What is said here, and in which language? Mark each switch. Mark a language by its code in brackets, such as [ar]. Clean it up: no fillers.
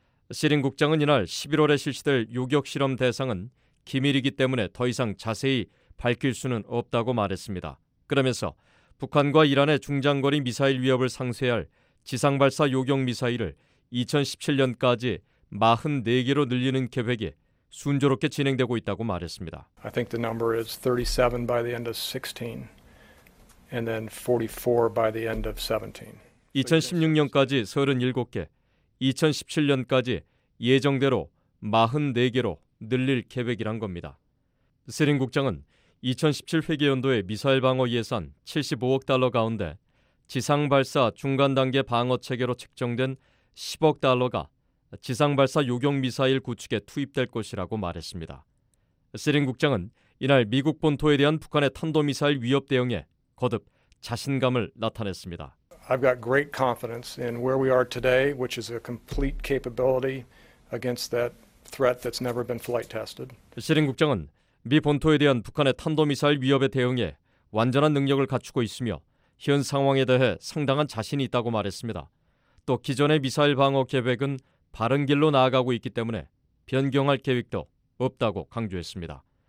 [ko] 시링 국장은 이날 11월에 실시될 요격 실험 대상은 기밀이기 때문에 더 이상 자세히 밝힐 수는 없다고 말했습니다. 그러면서 북한과 이란의 중장거리 미사일 위협을 상쇄할 지상발사 요격미사일을 2017년까지 44개로 늘리는 계획이 순조롭게 진행되고 있다고 말했습니다. [en] I think the number is 37 by the end of 16 and then 44 by the end of 17. [ko] 2016년까지 37개, 2017년까지 예정대로 44개로 늘릴 계획이란 겁니다. 스린 국장은 2017 회계 연도의 미사일 방어 예산 75억 달러 가운데 지상 발사 중간 단계 방어 체계로 측정된 10억 달러가 지상 발사 요격 미사일 구축에 투입될 것이라고 말했습니다. 스린 국장은 이날 미국 본토에 대한 북한의 탄도미사일 위협 대응에 거듭 자신감을 나타냈습니다. [en] I've got great confidence in where we are today, which is a complete capability against that threat that's never been flight tested. [ko] 스린 국장은 미 본토에 대한 북한의 탄도미사일 위협에 대응해 완전한 능력을 갖추고 있으며 현 상황에 대해 상당한 자신이 있다고 말했습니다. 또 기존의 미사일 방어 계획은 바른 길로 나아가고 있기 때문에 변경할 계획도 없다고 강조했습니다.